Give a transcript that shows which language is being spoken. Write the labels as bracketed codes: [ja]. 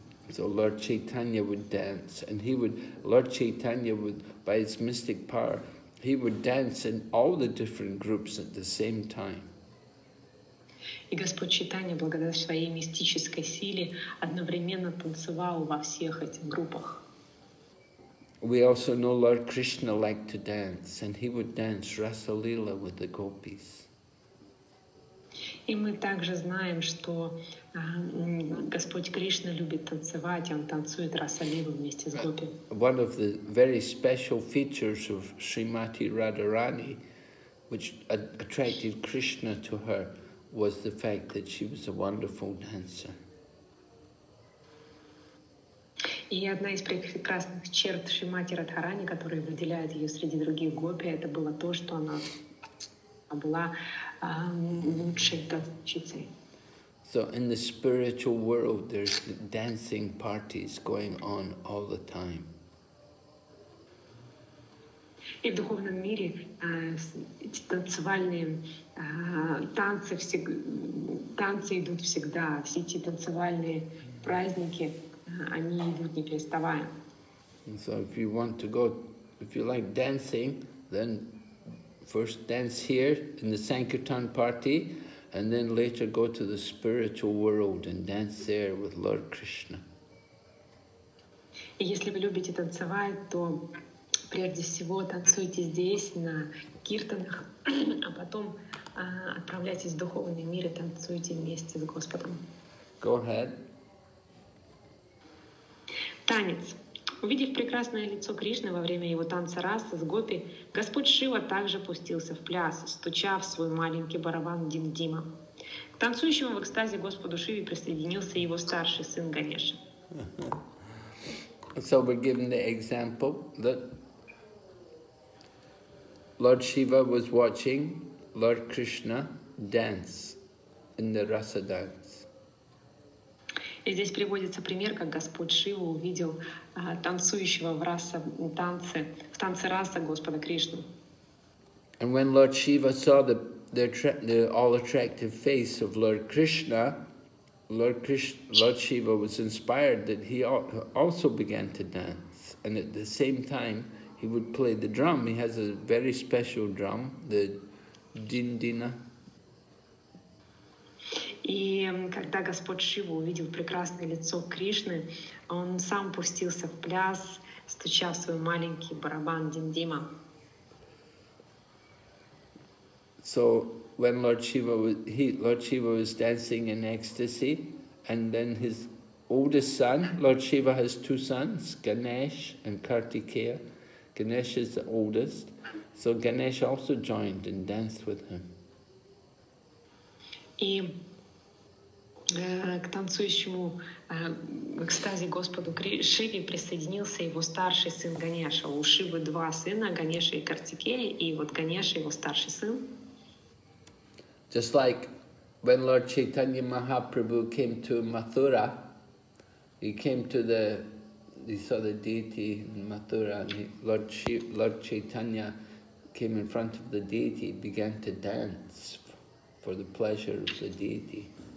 [en] So Lord Chaitanya would dance, and he would, Lord Chaitanya would, by his mystic power, he would dance in all the different groups at the same time. [ru] И Господь Чайтанья, благодаря своей мистической силе, одновременно танцевал во всех этих группах. [en] We also know Lord Krishna liked to dance, and he would dance Rasa Lila with the gopis. [ru] И мы также знаем, что Господь Кришна любит танцевать, и он танцует Раса Лилу вместе с гопи. [en] One of the very special features of Srimati Radharani, which attracted Krishna to her, was the fact that she was a wonderful dancer. [ru] И одна из прекрасных черт Шримати Радхарани, которая выделяет ее среди других гопи, это было то, что она была лучшей танцовщицей. [en] So in the spiritual world, there's dancing parties going on all the time. [ru] И в духовном мире эти танцевальные танцы идут всегда. Все эти танцевальные праздники, они идут не переставая. [en] And so if you want to go, if you like dancing, then first dance here in the Sankirtan party, and then later go to the spiritual world and dance there with Lord Krishna. [ru] И если вы любите танцевать, то прежде всего танцуйте здесь, на киртанах, а потом отправляйтесь в духовный мир и танцуйте вместе с Господом. [en] Go ahead. [ru] Танец. Увидев прекрасное лицо Кришны во время его танца Раса с гопи, Господь Шива также пустился в пляс, стуча в свой маленький барабан Дим-Дима. К танцующему в экстазе Господу Шиве присоединился его старший сын Ганеша. [en] So we're given the example that Lord Shiva was watching Lord Krishna dance in the Rasa dance. [ru] И здесь приводится пример, как Господь Шива увидел танцующего в Раса танце, в танце Раса Господа Кришну. [en] And when Lord Shiva saw the all attractive face of Lord Krishna, Lord Shiva was inspired that he also began to dance, and at the same time he would play the drum. He has a very special drum, the dindina. [ru] И когда Господь Шива увидел прекрасное лицо Кришны, он сам пустился в пляс, стуча в свой маленький барабан диндима. [en] So when Lord Shiva was dancing in ecstasy, and then his oldest son, Lord Shiva has two sons, Ganesh and Kartikeya. Ganesh is the oldest, so Ganesh also joined and danced with him. [ru] И к танцующему в экстазе Господу Шиве присоединился его старший сын Ганеша. У Шивы два сына, Ганеша и Картикея, и вот Ганеша его старший сын. [en] Just like when Lord Chaitanya Mahaprabhu came to Mathura, he came to the, he saw the deity in Mathura, and Lord Chaitanya came in front of the deity, began to dance for the pleasure of the deity.